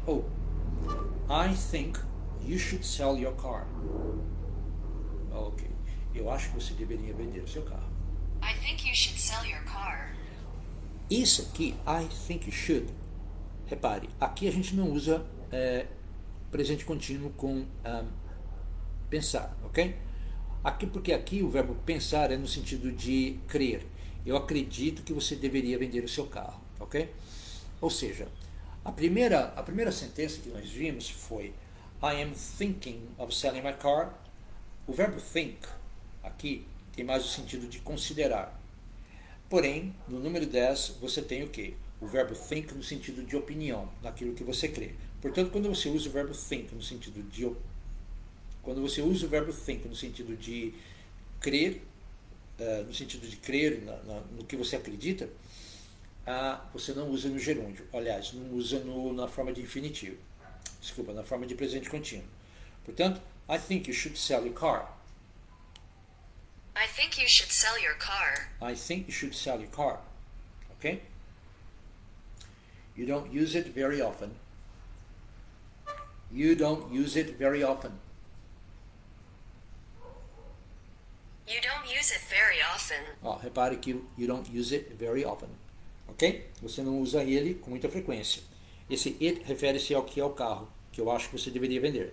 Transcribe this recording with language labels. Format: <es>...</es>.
<en>Oh, I think you should sell your car. Ok.</en> <pt>Eu acho que você deveria vender o seu carro.</pt> <en>I think you should sell your car.</en> <pt>Isso aqui,</pt> <en>I think you should.</en> <pt>Repare, aqui a gente não usa presente contínuo com pensar, ok? Aqui, porque aqui o verbo pensar é no sentido de crer. Eu acredito que você deveria vender o seu carro, ok? Ou seja, a primeira sentença que nós vimos foi</pt> <en>I am thinking of selling my car.</en> <pt>O verbo think aqui tem mais o sentido de considerar. Porém, no número 10, você tem o quê? O verbo think no sentido de opinião, naquilo que você crê. Portanto, quando você usa o verbo think no sentido de opinião, quando você usa o verbo think no sentido de crer, no sentido de crer no que você acredita, você não usa no gerúndio. Aliás, não usa no, na forma de infinitivo. Desculpa, na forma de presente contínuo. Portanto,</pt> <en>I think you should sell your car. I think you should sell your car. I think you should sell your car. Ok? You don't use it very often. You don't use it very often. You don't use it very often. Oh,</en> <pt>repare que</pt> <en>you don't use it very often.</en> <pt>Ok? Você não usa ele com muita frequência. Esse it refere-se ao que é o carro, que eu acho que você deveria vender.</pt>